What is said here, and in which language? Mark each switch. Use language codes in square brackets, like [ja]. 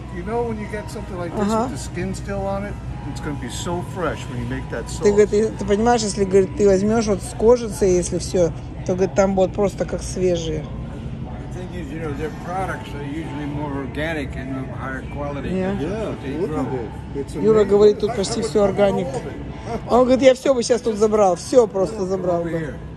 [en] You know when you get something like this with the skin still on it? It's going to be so fresh when you make that sauce. [ru] Ты, говорит, ты понимаешь, если, говорит, ты возьмешь вот с кожицы, если все, то, говорит, там будет просто как свежие. [en] The thing is, you know, their products are usually more organic and of higher quality. Yeah, look at it. [ru] Юра говорит, тут почти все органик. Он говорит, я все бы сейчас тут забрал, все просто забрал бы.